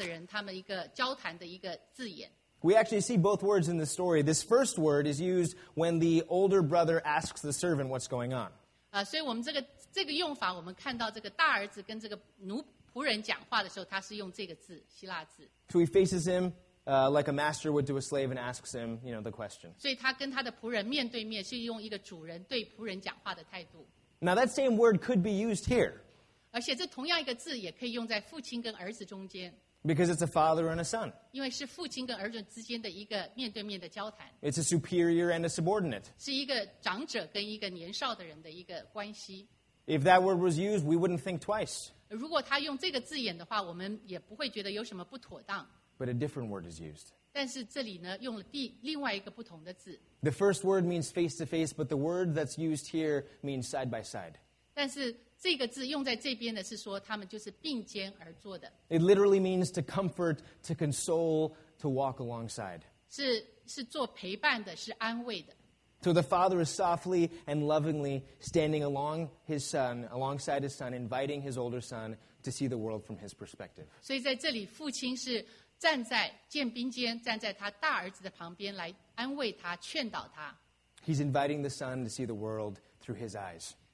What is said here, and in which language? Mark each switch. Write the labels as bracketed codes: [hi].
[zh] 有一个字眼是说是一个在上跟个在下的人他们一个交谈的一个字眼。 [en] We actually see both words in the story. This first word is used when the older brother asks the servant what's going on. [zh] 所以我们这个用法，我们看到这个大儿子跟这个奴仆人讲话的时候，他是用这个字，希腊字。 [en] So he faces him like a master would to a slave and asks him, you know, the question. [zh] 所以他跟他的仆人面对面，是用一个主人对仆人讲话的态度。 [en] Now that same word could be used here. [zh] 而且这同样一个字也可以用在父亲跟儿子中间。 [en] Because it's a father and a son. [zh] 因为是父亲跟儿子之间的一个面对面的交谈。 [en] It's a superior and a subordinate. [zh] 是一个长者跟一个年少的人的一个关系。 [en] If that word was used, we wouldn't think twice. [zh] 如果他用这个字眼的话，我们也不会觉得有什么不妥当。 [en] But a different word is used. [zh] 但是这里呢，用了另外一个不同的字。 [en] The first word means face to face, but the word that's used here means side by side. [zh] 但是 这个字用在这边的是说他们就是并肩而坐的。 [en] It literally means to comfort, to console, to walk alongside. [zh] 是做陪伴的，是安慰的。 [en] So the father is softly and lovingly standing along his son, alongside his son, inviting his older son to see the world from his perspective. [zh] 所以在这里父亲是站在肩并肩，站在他大儿子的旁边来安慰他，劝导他。 [en] He's inviting the son to see the world through his eyes.